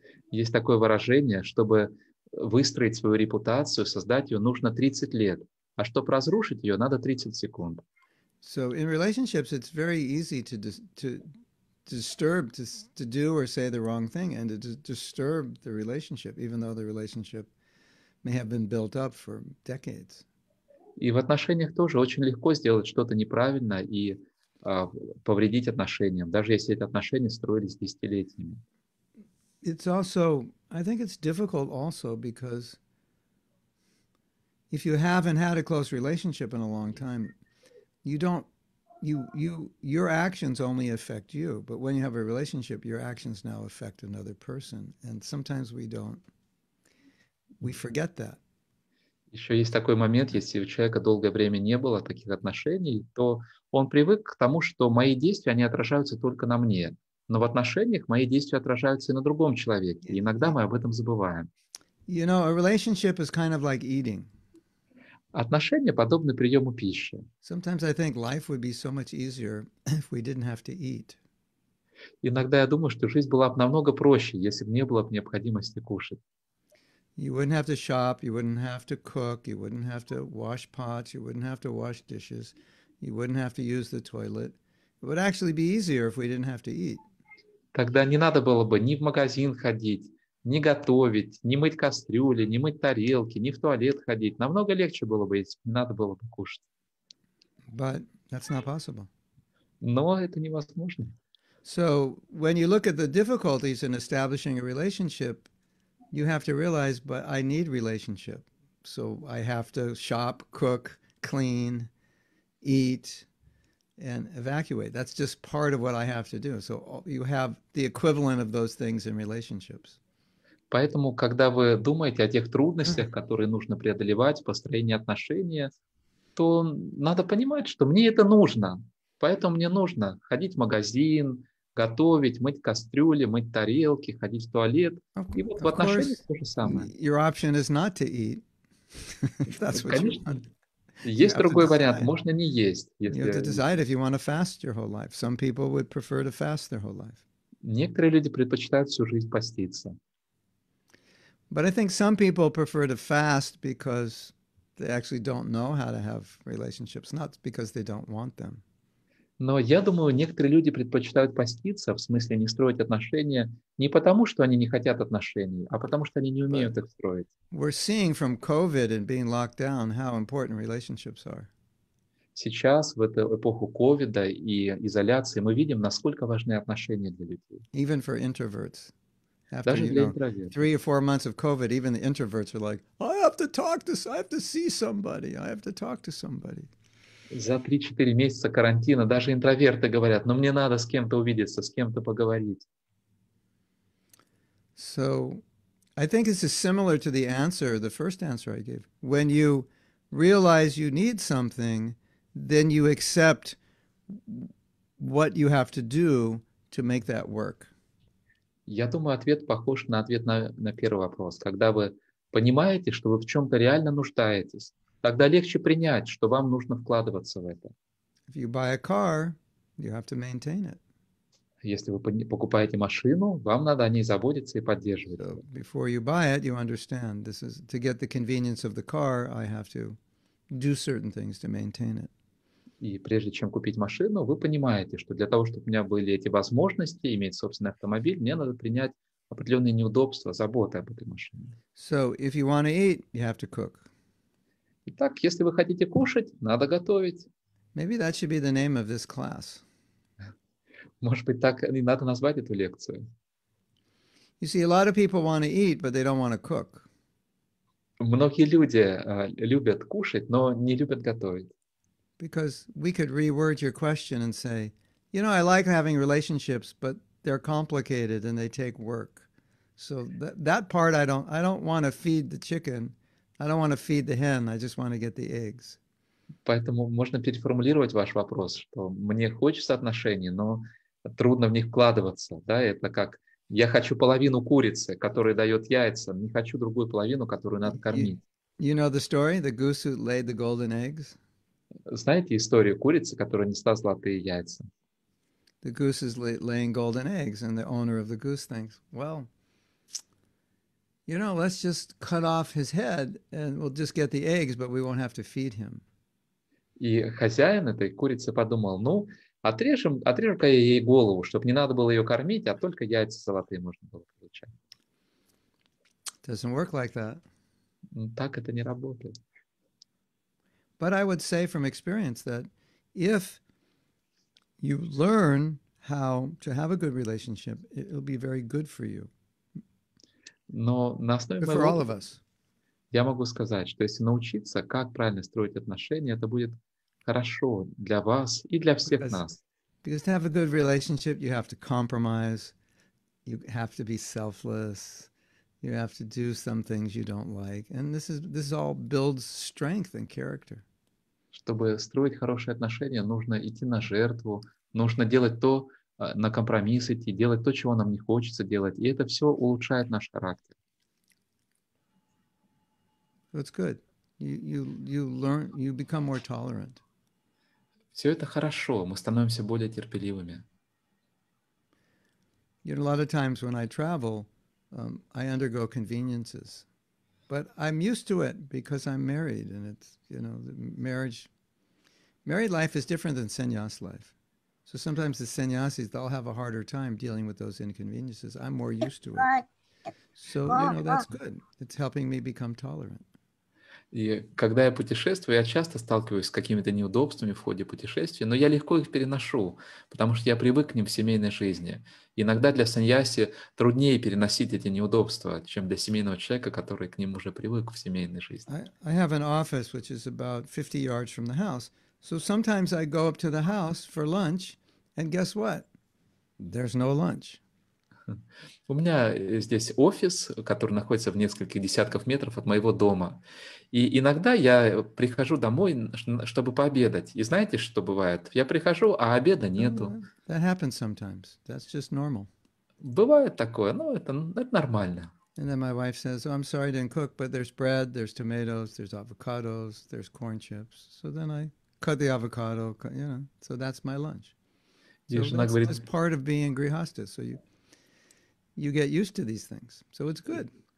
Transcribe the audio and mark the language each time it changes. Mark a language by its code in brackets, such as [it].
[ru] Есть такое выражение, чтобы выстроить свою репутацию, создать ее, нужно 30 лет, а чтобы разрушить ее, надо 30 секунд. [en] So in relationships it's very easy to do or say the wrong thing and to disturb the relationship, even though the relationship may have been built up for decades. [ru] И в отношениях тоже очень легко сделать что-то неправильно и повредить отношениям, даже если эти отношения строились десятилетиями. [en] It's also, I think it's difficult also because if you haven't had a close relationship in a long time, your actions only affect you, but when you have a relationship, your actions now affect another person. And sometimes we forget that. [ru] Еще есть такой момент, если у человека долгое время не было таких отношений, то он привык к тому, что мои действия, они отражаются только на мне. Но в отношениях мои действия отражаются и на другом человеке. И иногда мы об этом забываем. [en] You know, a relationship is kind of like eating. [ru] Отношения подобны приему пищи. [en] Sometimes I think life would be so much easier if we didn't have to eat. [ru] Иногда я думаю, что жизнь была бы намного проще, если бы не было бы необходимости кушать. [en] You wouldn't have to shop, you wouldn't have to cook, you wouldn't have to wash pots, you wouldn't have to wash dishes, you wouldn't have to use the toilet. It would actually be easier if we didn't have to eat. [ru] Тогда не надо было бы ни в магазин ходить, ни готовить, ни мыть кастрюли, ни мыть тарелки, ни в туалет ходить. Намного легче было бы, если бы не надо было бы кушать. [en] But that's not possible. [ru] Но это невозможно. [en] So when you look at the difficulties in establishing a relationship, you have to realize, but I need relationship. So I have to shop, cook, clean, eat, and evacuate. That's just part of what I have to do. So you have the equivalent of those things in relationships. [ru] Поэтому, когда вы думаете о тех трудностях, которые нужно преодолевать в построении отношений, то надо понимать, что мне это нужно. Поэтому мне нужно ходить в магазин, готовить, мыть кастрюли, мыть тарелки, ходить в туалет. И вот в отношениях то же самое. [en] Your option is not to eat. That's what you want. [ru] Есть другой вариант. Можно не есть. [en] You have to decide if you want to fast your whole life. Some people would prefer to fast their whole life. [ru] Некоторые люди предпочитают всю жизнь поститься. [en] But I think some people prefer to fast because they actually don't know how to have relationships, not because they don't want them. [ru] Но я думаю, некоторые люди предпочитают поститься, в смысле не строить отношения, не потому, что они не хотят отношений, а потому, что они не умеют их строить. [en] We're seeing from COVID and being locked down how important relationships are. [ru] Сейчас, в эту эпоху COVID и изоляции, мы видим, насколько важны отношения для людей. [en] Even for introverts. After, [ru] даже для интровертов. [en] Three or four months of COVID, even the introverts are like, I have to see somebody, I have to talk to somebody. [ru] За 3-4 месяца карантина даже интроверты говорят, но мне надо с кем-то увидеться, с кем-то поговорить. [en] So, I think this is similar to the answer, the first answer I gave. When you realize you need something, then you accept what you have to do to make that work. [ru] Я думаю, ответ похож на ответ на первый вопрос. Когда вы понимаете, что вы в чем-то реально нуждаетесь, тогда легче принять, что вам нужно вкладываться в это. [en] If you buy a car, you have to maintain it. [ru] Если вы покупаете машину, вам надо о ней заботиться и поддерживать. [en] So before you buy it, you understand this is to get the convenience of the car, I have to do certain things to maintain it. [ru] И прежде чем купить машину, вы понимаете, что для того, чтобы у меня были эти возможности иметь собственный автомобиль, мне надо принять определенные неудобства, заботы об этой машине. [en] So if you want to eat, you have to cook. [ru] Итак, если вы хотите кушать, надо готовить. [en] Maybe that should be the name of this class. [ru] Может быть, так и надо назвать эту лекцию. [en] You see, a lot of people want to eat, but they don't want to cook. [ru] Многие люди любят кушать, но не любят готовить. [en] Because we could reword your question and say, you know, I like having relationships, but they're complicated and they take work. So that part I don't want to feed the chicken. I don't want to feed the hen, I just want to get the eggs. [ru] Поэтому можно переформулировать ваш вопрос, что мне хочется отношений, но трудно в них вкладываться, да, это как я хочу половину курицы, которая дает яйца, не хочу другую половину, которую надо кормить. [en] You know the story, the goose who laid the golden eggs? [ru] Знаете историю курицы, которая несла золотые яйца? [en] The goose is laying golden eggs, and the owner of the goose thinks, well, you know, let's just cut off his head, and we'll just get the eggs, but we won't have to feed him. [ru] И хозяин этой курицы подумал, ну, отрежем-ка я ей голову, чтобы не надо было ее кормить, а только яйца золотые можно было получать. [en] Doesn't work like that. [ru] Так это не работает. [en] But I would say from experience that if you learn how to have a good relationship, it'll be very good for you. [ru] Но на основе моего... [en] For all of us. [ru] Я могу сказать, что если научиться, как правильно строить отношения, это будет хорошо для вас и для всех нас. [en] Because to have a good relationship, you have to compromise, you have to be selfless, you have to do some things you don't like, and this all builds strength and character. [ru] Чтобы строить хорошие отношения, нужно идти на жертву, нужно делать то, на компромисс идти, делать то, чего нам не хочется делать, и это все улучшает наш характер. [en] That's good. You become more tolerant. [ru] Все это хорошо, мы становимся более терпеливыми. [en] You know, a lot of times when I travel, I undergo conveniences, but I'm used to it because I'm married, and it's, you know, the married life is different than sannyas life. So sometimes the sannyasis, they'll have a harder time dealing with those inconveniences. I'm more used to it. So, you know, that's good. It's helping me become tolerant. [ru] И когда я путешествую, я часто сталкиваюсь с какими-то неудобствами в ходе путешествия, но я легко их переношу, потому что я привык к ним в семейной жизни. Иногда для саньяси труднее переносить эти неудобства, чем для семейного человека, который к ним уже привык в семейной жизни. [en] I have an office, which is about 50 yards from the house. So sometimes I go up to the house for lunch, and guess what? There's no lunch. [ru] У меня здесь офис, который находится в нескольких десятках метров от моего дома. И иногда я прихожу домой, чтобы пообедать. И знаете, что бывает? Я прихожу, а обеда нету. [en] That happens sometimes. That's just normal. [ru] Бывает такое, но это нормально. [en] And then my wife says, oh, I'm sorry I didn't cook, but there's bread, there's tomatoes, there's avocados, there's corn chips. So then I cut the avocado, you know, so that's my lunch. It's part of being grihastha, so you get used to these things, so it's good.